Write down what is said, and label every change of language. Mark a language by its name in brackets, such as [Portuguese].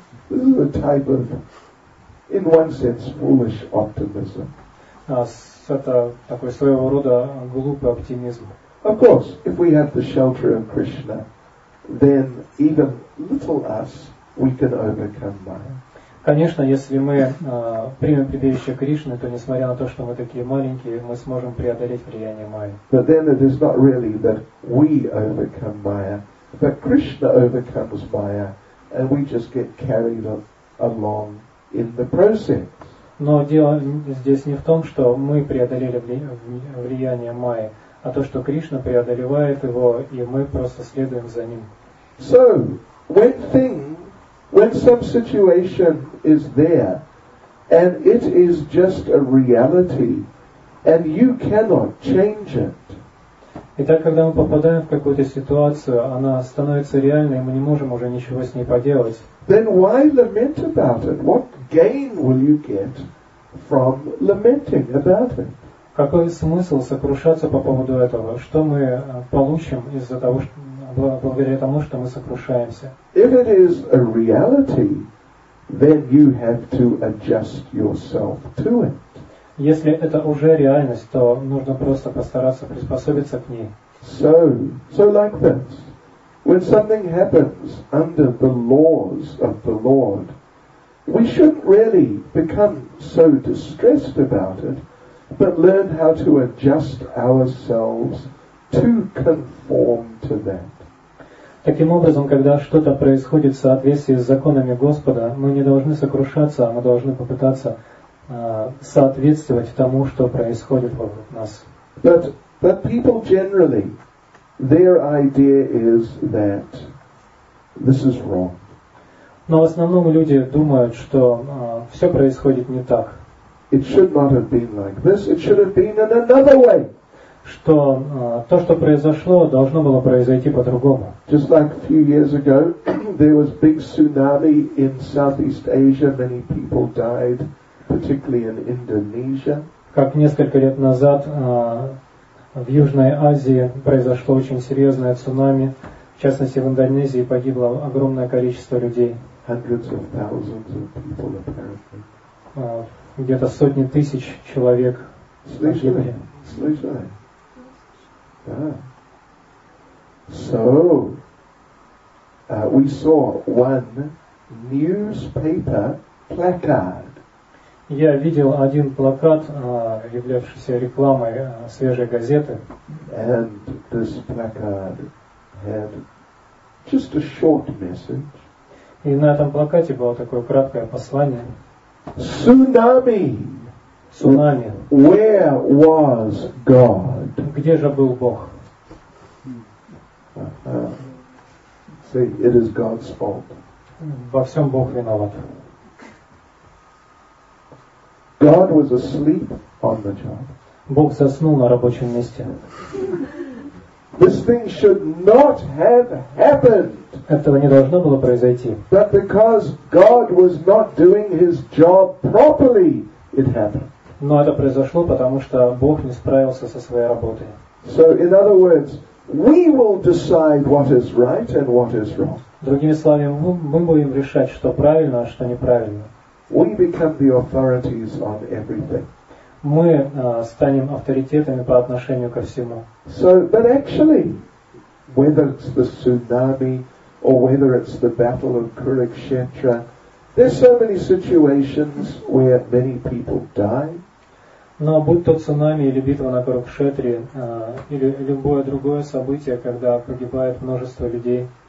[English] This is a type of, in one sense, foolish optimism. [Russian] Это такой своего рода глупый оптимизм. [English] Of course, if we have the shelter of Krishna, then even little us, we can overcome Maya. [Russian] Конечно, если мы примем прибежище Кришны, то несмотря на то, что мы такие маленькие, мы сможем преодолеть влияние Майи. [English] But then it is not really that we overcome Maya, but Krishna overcomes Maya, and we just get carried along in the process. [Russian] Но дело здесь не в том, что мы преодолели влияние Майи, а то, что Кришна преодолевает его, и мы просто следуем за ним. [English] So, when some situation is there, and it is just a reality, and you cannot change it. [Russian] Итак, когда мы попадаем в какую-то ситуацию, она становится реальной, и мы не можем уже ничего с ней поделать. [English] Then why lament about it? What gain will you get from lamenting about it? [Russian] Какой смысл сокрушаться по поводу этого? Что мы получим из-за того, что благодаря тому, что мы сокрушаемся. [English] If it is a reality, then you have to adjust yourself to it. [Russian] Если это уже реальность, то нужно просто постараться приспособиться к ней. [English] So like this. When something happens under the laws of the Lord, we shouldn't really become so distressed about it, but learn how to adjust ourselves to conform to that. [Russian] Таким образом, когда что-то происходит в соответствии с законами Господа, мы не должны сокрушаться, а мы должны попытаться соответствовать тому, что происходит вокруг нас. [English] But people generally, their idea is that this is wrong. [Russian] Но в основном люди думают, что все происходит не так. [English] It should not have been like this, it should have been in another way. [Russian] Что то, что произошло, должно было произойти по-другому. [English] Just like a few years ago, there was big tsunami in Southeast Asia. Many people died, particularly in Indonesia. [Russian] Как несколько лет назад в Южной Азии произошло очень серьезное цунами. В частности, в Индонезии погибло огромное количество людей. [English] Hundreds of thousands of people, apparently. [Russian] Где-то сотни тысяч человек погибли. Слышали? [English] So, we saw one newspaper placard. [Russian] Я видел один плакат, являвшийся рекламой свежей газеты. [English] And this placard had just a short message. [Russian] И на этом плакате было такое краткое послание. [English] Tsunami. [Russian] Цунами. [English] Where was God? [Russian] Где же был Бог? [English] See, it is God's fault. [Russian] Во всем Бог виноват. [English] God was asleep on the job. [Russian] Бог заснул на рабочем месте. [English] This thing should not have happened. [Russian] Этого не должно было произойти. [English] But because God was not doing his job properly, it happened. [Russian] Но это произошло, потому что Бог не справился со своей работой. [English] So, in other words, we will decide what is right and what is wrong. [Russian] Другими словами, мы будем решать, что правильно, а что неправильно. [English] We become the authorities on everything. [Russian] Мы станем авторитетами по отношению ко всему. [English] So, but actually, whether it's the tsunami or whether it's the battle of Kurukshetra, there's so many situations where many people die. [Russian] Но будь то цунами или битва на Курукшетре, или любое другое событие, когда погибает множество людей.